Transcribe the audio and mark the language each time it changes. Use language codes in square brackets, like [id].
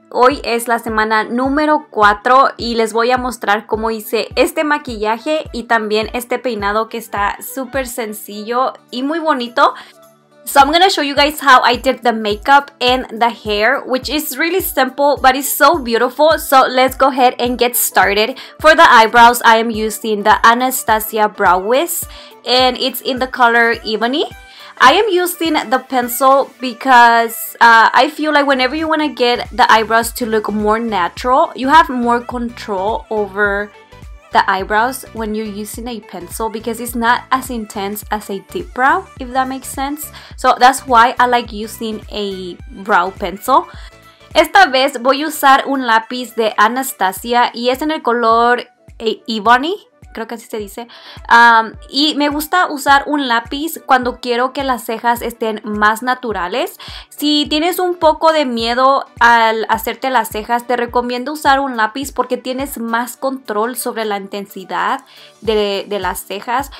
[es] Hoy es la semana número 4 y les voy a mostrar cómo hice este maquillaje y también este peinado que está súper sencillo y muy bonito. [en] So I'm gonna show you guys how I did the makeup and the hair, which is really simple, but it's so beautiful. So let's go ahead and get started. For the eyebrows, I am using the Anastasia Brow Wiz, and it's in the color Ebony. I am using the pencil because I feel like whenever you wanna get the eyebrows to look more natural, you have more control over the eyebrows when you're using a pencil because it's not as intense as a deep brow, if that makes sense. So that's why I like using a brow pencil. [es] Esta vez voy a usar un lápiz de Anastasia y es en el color Ebony, creo que así se dice. Y me gusta usar un lápiz cuando quiero que las cejas estén más naturales. Si tienes un poco de miedo al hacerte las cejas, te recomiendo usar un lápiz porque tienes más control sobre la intensidad de las cejas.